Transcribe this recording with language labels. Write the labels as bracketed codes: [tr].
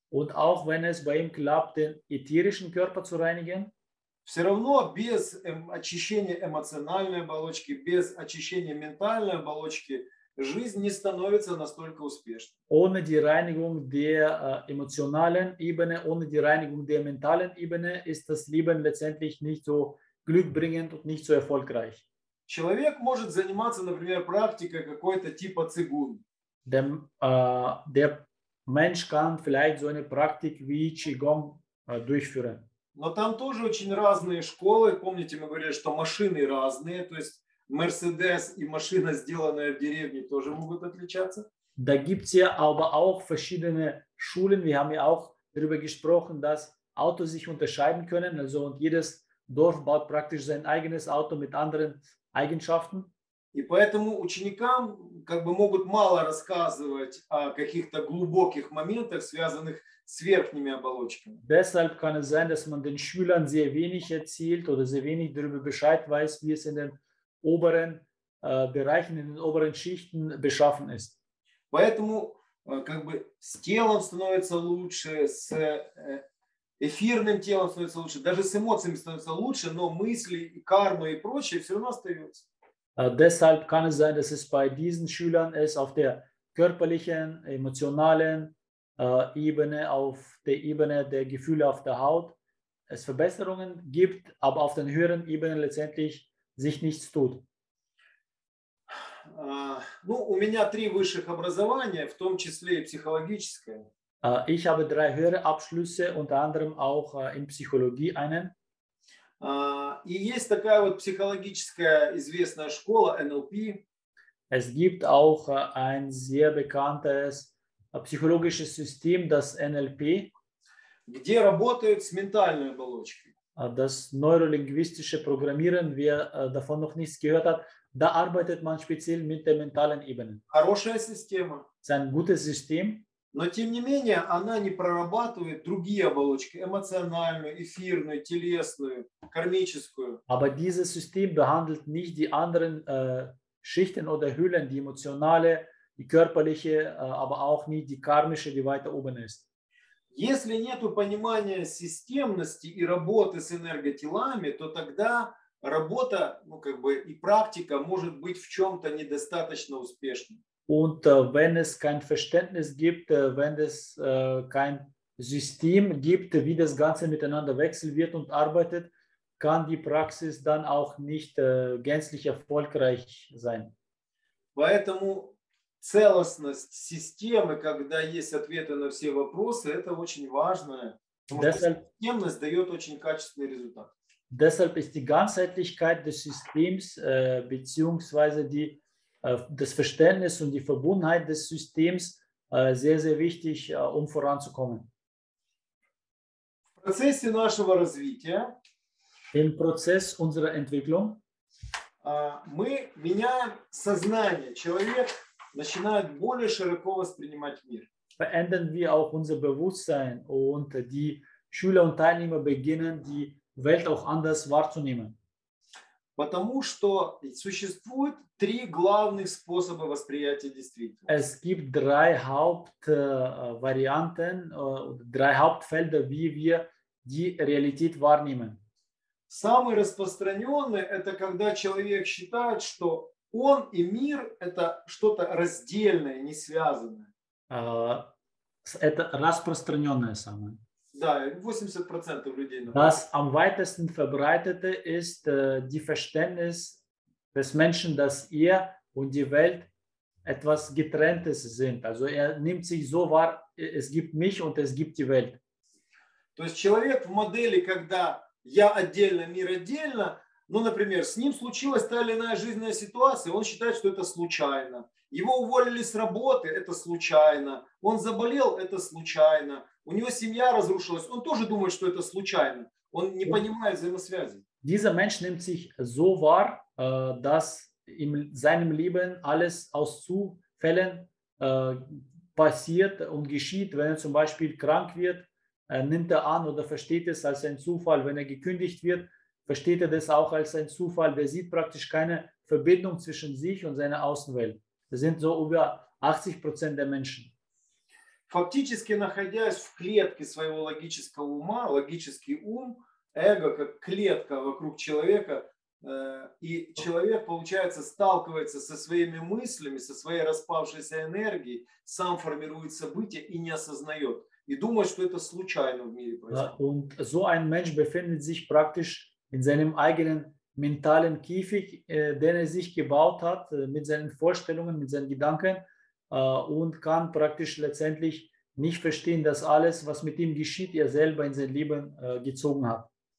[de] und auch wenn es bei ihm klappt, den ätherischen Körper zu reinigen, [ru] все равно без очищения эмоциональной оболочки, без очищения ментальной оболочки жизнь не становится настолько успешной. [de] Ohne die Reinigung der emotionalen Ebene, ohne die Reinigung der mentalen Ebene ist das Leben letztendlich nicht so glückbringend und nicht so erfolgreich. [ru] Человек может заниматься, например, практикой какой-то типа цигун. [de] Der Mensch kann vielleicht so eine Praktik wie Qigong durchführen. [ru] Но там тоже очень разные школы. Помните, мы говорили, что машины разные, то есть Mercedes и машина, сделанная в деревне, тоже могут отличаться. [de] Da gibt's ja aber auch verschiedene Schulen. Wir haben ja auch darüber gesprochen, dass Autos sich unterscheiden können. Also und jedes Dorf baut praktisch sein eigenes Auto mit anderen Eigenschaften. [ru] И поэтому ученикам как бы могут мало рассказывать о каких-то глубоких моментах, связанных с верхними оболочками. [de] Deshalb kann es sein, dass man den Schülern sehr wenig erzählt oder sehr wenig darüber Bescheid weiß, wie es in den oberen Bereichen, in den oberen Schichten beschaffen ist. [ru] Поэтому как бы с телом становится лучше, с эфирным телом становится лучше, даже с эмоциями становится лучше, но мысли, карма и прочее все равно остается. [de] Deshalb kann es sein, dass es bei diesen Schülern es auf der körperlichen, emotionalen Ebene, auf der Ebene der Gefühle auf der Haut, es Verbesserungen gibt, aber auf den höheren Ebenen letztendlich sich nichts tut. [ru] Ну, у меня три высших образования, в том числе и психологическое. [de] Ich habe drei höhere Abschlüsse, unter anderem auch in Psychologie einen. [ru] И есть такая вот психологическая известная школа NLP. [de] Es gibt auch ein sehr bekanntes psychologisches System, das NLP, [ru] где работают с ментальной оболочкой. [de] Das neurolinguistische Programmieren, wer davon noch nichts gehört hat, da arbeitet man speziell mit der mentalen Ebene. [ru] Хорошая система. [de] Es ist ein gutes System. [ru] Но тем не менее, она не прорабатывает другие оболочки: эмоциональную, эфирную, телесную, кармическую. [de] Aber diese System behandelt nicht die anderen Schichten oder Hüllen, die emotionale, die körperliche, aber auch nicht die karmische, die weiter oben ist. [ru] Если нету понимания системности и работы с энерготелами, то тогда работа, ну как бы и практика может быть в чем-то недостаточно успешной. [de] Und wenn es kein Verständnis gibt, wenn es kein System gibt, wie das Ganze miteinander wechselt wird und arbeitet, kann die Praxis dann auch nicht gänzlich erfolgreich sein. [ru] Поэтому целостность системы, когда есть ответы на все вопросы, это очень важно. [de] Deshalb, [ru] системность дает очень качественный результат. [de] Deshalb ist die Ganzheitlichkeit des Systems, beziehungsweise die das Verständnis und die Verbundenheit des Systems sehr, sehr wichtig, um voranzukommen. [ru] В процессе нашего развития, [de] im Prozess unserer Entwicklung, [ru] мы меняем сознание. Человек начинает более широко воспринимать мир. [de] Verändern wir auch unser Bewusstsein und die Schüler und Teilnehmer beginnen, die Welt auch anders wahrzunehmen. [ru] Потому что существует три главных способа восприятия действительности. [de] Es gibt drei Hauptvarianten, drei Hauptfelder, wie wir die Realität wahrnehmen. [ru] Самый распространенный – это когда человек считает, что он и мир – это что-то раздельное, не связанное. Это распространенное самое. Да, 80% людей. Например. [de] Das am weitesten verbreitete ist die Verständnis des Menschen, dass er und die Welt etwas Getrenntes sind. Also er nimmt sich so wahr, es gibt mich und es gibt die Welt. [ru] То есть человек в модели, когда я отдельно, мир отдельно, ну, например, с ним случилась та или иная жизненная ситуация, он считает, что это случайно. Его уволили с работы, это случайно. Он заболел, это случайно. У него семья разрушилась, он тоже думает, что это случайно. Он не понимает взаимосвязи. [de] Dieser Mensch nimmt sich so wahr, dass in seinem Leben alles aus Zufällen passiert und geschieht. Wenn er zum Beispiel krank wird, nimmt er an oder versteht es als ein Zufall. Wenn er gekündigt wird, versteht er das auch als ein Zufall. Der sieht praktisch keine Verbindung zwischen sich und seiner Außenwelt. Das sind so über 80% der Menschen. [ru] Фактически находясь в клетке своего логического ума, логический ум, эго как клетка вокруг человека, и человек, получается, сталкивается со своими мыслями, со своей распавшейся энергией, сам формирует события и не осознает, и думает, что это случайно в мире происходит. [de] Und so ein Mensch befindet sich praktisch in seinem eigenen mentalen Käfig, den er sich gebaut hat, mit seinen Vorstellungen, mit seinen Gedanken, und kann praktisch letztendlich nicht verstehen, dass alles, was mit ihm geschieht, er selber in sein Leben gezogen hat.